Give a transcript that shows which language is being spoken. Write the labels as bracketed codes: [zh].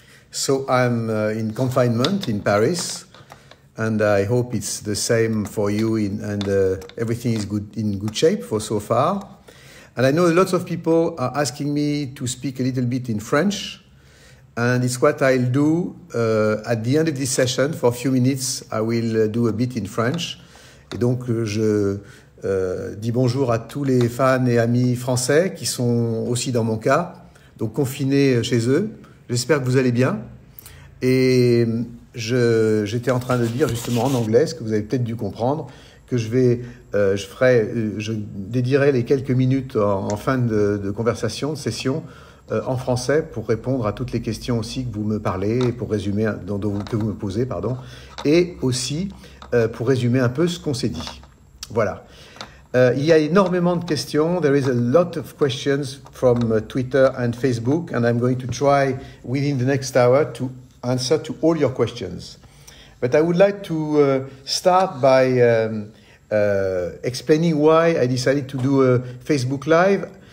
[en] So I'm in confinement in Paris, and I hope it's the same for you everything is good in good shape for so far. And I know lots of people are asking me to speak a little bit in French, and it's what I'll do at the end of this session. For a few minutes, I will do a bit in French. [fr] Et donc, je dis bonjour à tous les fans et amis français qui sont aussi dans mon cas, donc confinés chez eux. J'espère que vous allez bien. Et j'étais en train de dire justement en anglais, ce que vous avez peut-être dû comprendre, que je dédierai les quelques minutes en fin de conversation, de session, en français pour répondre à toutes les questions aussi que vous me parlez, pour résumer, que vous me posez, pardon, et aussi pour résumer un peu ce qu'on s'est dit. Voilà. Il y a énormément de questions. [en] There is a lot of questions from Twitter and Facebook, and I'm going to try within the next hour to answer to all your questions. But I would like to start by explaining why I decided to do a Facebook Live.